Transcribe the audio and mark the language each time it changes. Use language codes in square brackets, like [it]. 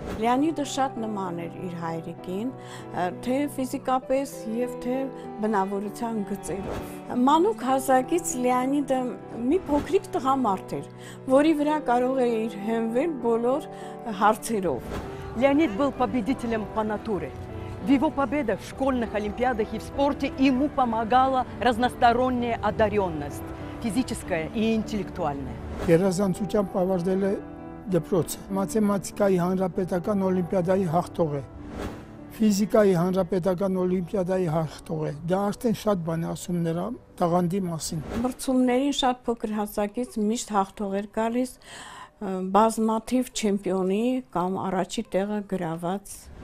[hy] Լեոնիդը շատ նման էր իր հայրիկին, թե ֆիզիկապես և թե բնավորության գծերով։ Մանուկ հասակից Լեոնիդը մի փոքրիկ տղամարդ էր, որի վրա կարող էր հենվել բոլոր հարցերով։ [ru] Լեոնիդ был победителем по натуре. В его победах, в школьных олимпиадах и в спорте ему помогала разносторонняя одаренность, физическая и интеллектуальная. [hy] Երազանցությամբ ավարտել է դպրոցը, մաթեմատիկայի հանրապետական օլիմպիադայի հաղթող է, ֆիզիկայի հանրապետական օլիմպիադայի հաղթող է, դա արդեն շատ բան է ասում նրա տաղանդի մասին։ Մրցումներին շատ փոքր հասակից միշտ հաղթող էր գալիս, բազմաթիվ չեմպիոնի կամ առաջի տեղը գրաված։